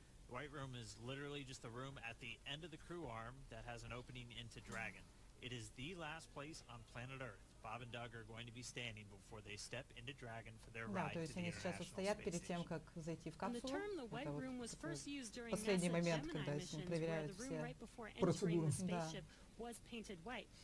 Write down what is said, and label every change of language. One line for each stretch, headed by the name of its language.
English: White room is literally just the room at the end of the crew arm that has an opening into Dragon. It is the last place on planet Earth. Bob and Doug are going to be standing before they step into Dragon for their ride to the International Space Station.
Russian: Да, то есть они сейчас стоят перед тем, как зайти в капсулу.
English: The term the white room was first used during NASA's Gemini missions, where the room right before entering the spaceship was painted white.